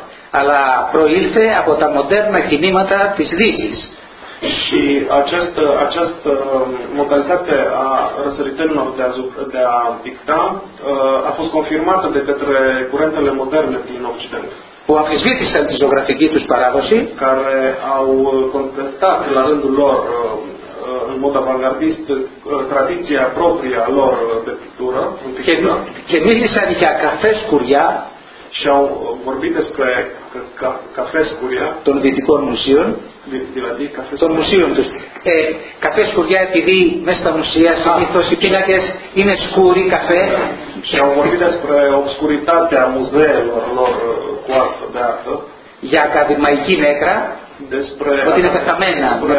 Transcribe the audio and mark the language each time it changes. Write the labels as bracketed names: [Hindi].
[Greek] Αλλά προήλθε από τα μοντέρνα κινήματα της Δύσης. [Romanian] Și această modalitate a răsăritenilor de a picta a fost confirmată de către curentele moderne din Occident. [Greek] Που αφισβήτησαν τη ζωγραφική τους παράδοση, [Romanian] care au contestat la rândul lor în mod avantgardist tradiția propria lor de pictură, [Greek] και μίλησαν για καφέ σκουριά, [Romanian] și au vorbit despre [Greek] καφέ σκουριά των δυτικών μουσείων, των μουσείων τους. Καφέ σκουριά, επειδή μέσα στα μουσεία συνήθως οι πίνακες είναι σκούροι καφέ. [Romanian] Και au vorbit despre obscuritatea muzeelor lor. [Greek] Για ακαδημαϊκή νέκρα, ότι είναι πεθαμένα.